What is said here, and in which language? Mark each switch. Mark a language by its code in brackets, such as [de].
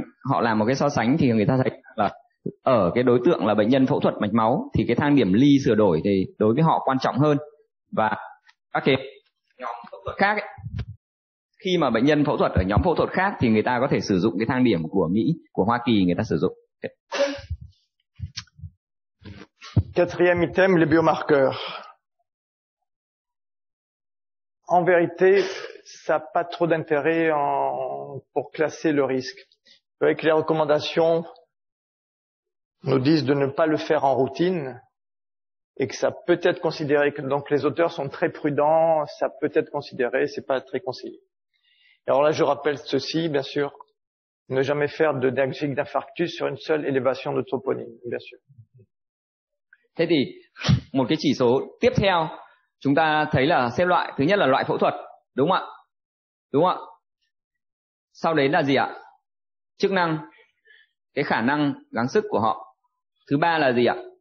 [vi] họ làm một cái so sánh thì người ta thấy là ở cái đối tượng là bệnh nhân phẫu thuật mạch máu thì cái thang điểm Li sửa đổi thì đối với họ quan trọng hơn. Và các cái nhóm phẫu thuật khác ấy, khi mà bệnh nhân phẫu thuật ở nhóm phẫu thuật khác thì người ta có thể sử dụng cái thang điểm của Mỹ, của Hoa Kỳ người ta sử dụng. [fr] Quatrième item, les biomarqueurs. En vérité, ça n'a pas trop d'intérêt pour classer le risque. Avec les recommandations nous disent de ne pas le faire en routine et que ça peut être considéré, donc les auteurs sont très prudents, ça peut être considéré, c'est pas très conseillé. Alors là, je rappelle ceci, bien sûr, ne jamais faire de diagnostic d'infarctus sur une seule élévation de troponine, bien sûr. [vi] Thế thì, một cái chỉ số tiếp theo, chúng ta thấy là xếp loại, thứ nhất là loại phẫu thuật, đúng không ạ? Đúng không ạ? Sau đấy là gì ạ? Chức năng, cái khả năng gắng sức của họ. Thứ ba là gì ạ?